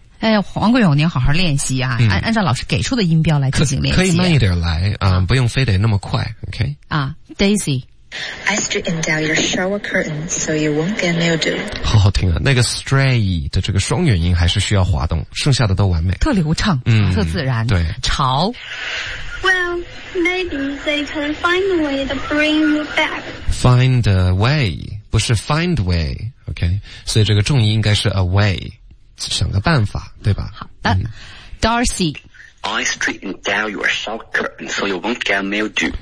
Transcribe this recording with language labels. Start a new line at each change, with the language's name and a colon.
Chinese: 哎，王国友，您好好练习啊，按照老师给出的音标来进行练习。可以慢一点来啊，不用非得那么快。
English: OK。啊 ，Daisy。 I straightened out your shower curtain so you won't get mildew.
Chinese: 好好听啊，那个 stray 的这个双元音还是需要滑动，剩下的都完美，特流畅，特自然。对，潮。
English: Well, maybe they can find a way to bring you back. Find a way, 不是 find way, OK?
Chinese: 所以这个重音应该是 a way, 想个办法，对吧？好的 ，Darcy.
English: I straightened out your shower curtain so you won't get mildew.